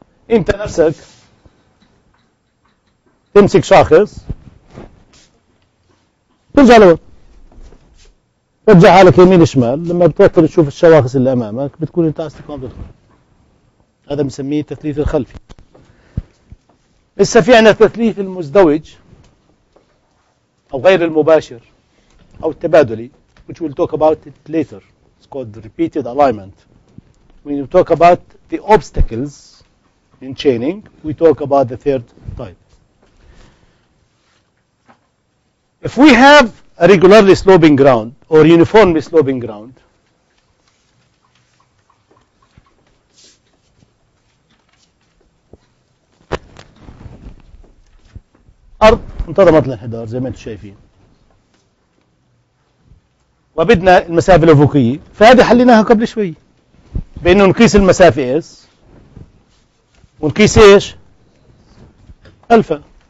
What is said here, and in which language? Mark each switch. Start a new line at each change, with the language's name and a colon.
Arabic: انت نفسك تمسك شخص ترجع لورا، ترجع حالك يمين شمال، لما بتوتر تشوف الشواخص اللي امامك بتكون انت على استقامة الخلف. هذا بنسميه التثليث الخلفي. لسه في عندنا التثليث المزدوج او غير المباشر او التبادلي،
English: which we'll talk about it later. It's called repeated alignment. When you talk about the obstacles in chaining, we talk about the third type. If we have a regularly sloping ground
Arabic: or uniformly sloping ground, أرض انتظمت الانحدار زي ما انتم شايفين وبدنا المسافة الأفقية، فهذه حليناها قبل شوي بأنه نقيس المسافة S ونقيس ايش؟ الفا.